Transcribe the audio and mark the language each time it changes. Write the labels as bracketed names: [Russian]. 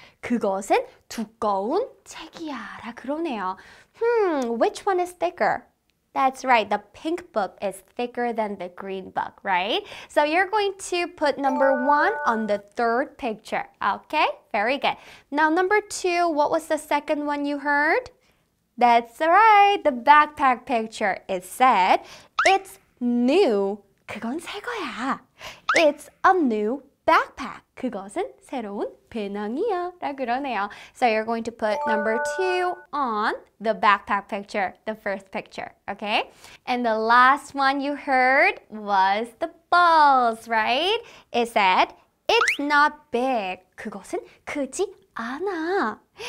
[Korean] 그것은 두꺼운 책이야, 라 그러네요. [English] Which one is thicker? That's right, the pink book is thicker than the green book, right? So you're going to put number one on the third picture, okay? Very good. Now number two, what was the second one you heard? That's right, the backpack picture. It said, it's new. [Korean] 그건 새 거야. [English] It's a new backpack. [Korean] 그것은 새로운 배낭이야, 라 그러네요. [English] So you're going to put number two on the backpack picture, the first picture, okay? And the last one you heard was the balls, right? It said, it's not big. [Korean] 그것은 크지 않아.